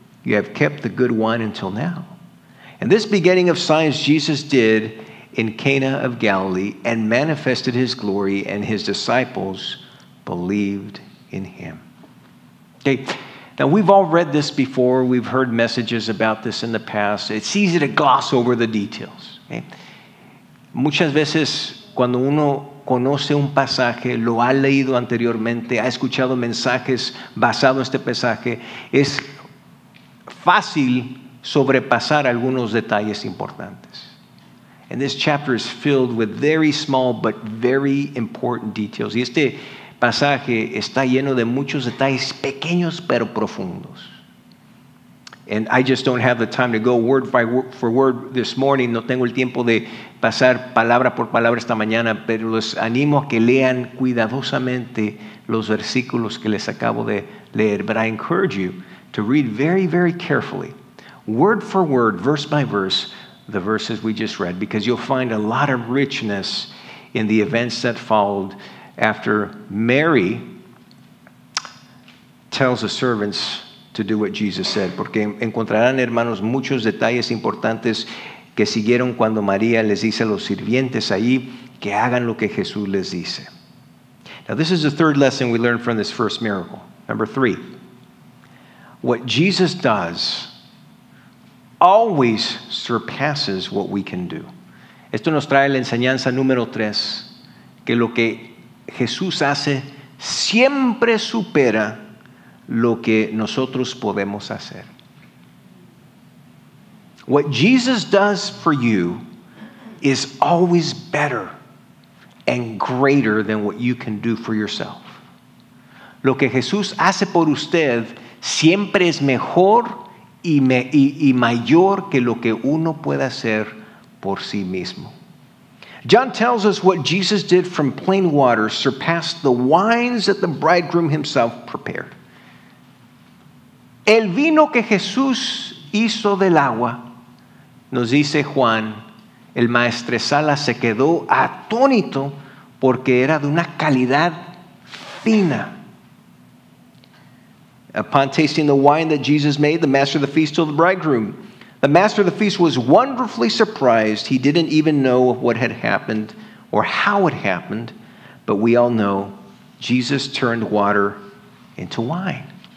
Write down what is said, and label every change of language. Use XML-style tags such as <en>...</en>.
<en>You have kept the good wine until now. And this beginning of signs Jesus did in Cana of Galilee and manifested his glory, and his disciples believed in him. Okay, now we've all read this before. We've heard messages about this in the past. It's easy to gloss over the details. Okay?</en> <es>Muchas veces cuando uno conoce un pasaje, lo ha leído anteriormente, ha escuchado mensajes basados en este pasaje, es fácil sobrepasar algunos detalles importantes.</es> <en>And this chapter is filled with very small but very important details.</en> <es>Y este pasaje está lleno de muchos detalles pequeños pero profundos.</es> <en>And I just don't have the time to go word by word for word this morning.</en> <es>No tengo el tiempo de pasar palabra por palabra esta mañana, pero los animo a que lean cuidadosamente los versículos que les acabo de leer.</es> <en>But I encourage you to read very, very carefully, word for word, verse by verse, the verses we just read, because you'll find a lot of richness in the events that followed after Mary tells the servants to do what Jesus said.</en> <es>Porque encontrarán, hermanos, muchos detalles importantes que siguieron cuando María les dice a los sirvientes ahí que hagan lo que Jesús les dice.</es> <en>Now, this is the third lesson we learned from this first miracle. Number 3, what Jesus does always surpasses what we can do.</en> <es>Esto nos trae la enseñanza número 3, que lo que Jesús hace siempre supera lo que nosotros podemos hacer.</es> <en>What Jesus does for you is always better and greater than what you can do for yourself.</en> <es>Lo que Jesús hace por usted siempre es mejor y mayor que lo que uno puede hacer por sí mismo.</es> <en>John tells us what Jesus did from plain water surpassed the wines that the bridegroom himself prepared.</en> <es>El vino que Jesús hizo del agua, nos dice Juan, el maestresala se quedó atónito porque era de una calidad fina.</es> <en>Upon tasting the wine that Jesus made, the master of the feast told the bridegroom. The master of the feast was wonderfully surprised. He didn't even know what had happened or how it happened. But we all know Jesus turned water into wine.</en>